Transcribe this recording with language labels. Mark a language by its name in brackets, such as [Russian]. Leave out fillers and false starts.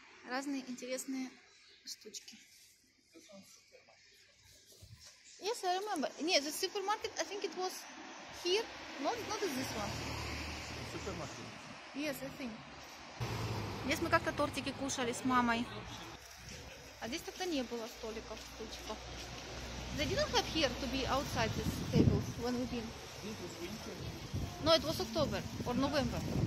[Russian] Разные интересные штучки. [English] Yes, I remember. Yes, the supermarket, I think it was here. No, not this one. Supermarket. Yes, I think. [Russian] Здесь мы как-то тортики кушали с мамой. А здесь тогда не было столиков, стульчиков. [English] They didn't have here to be outside these tables when we've been. No, it was October or November.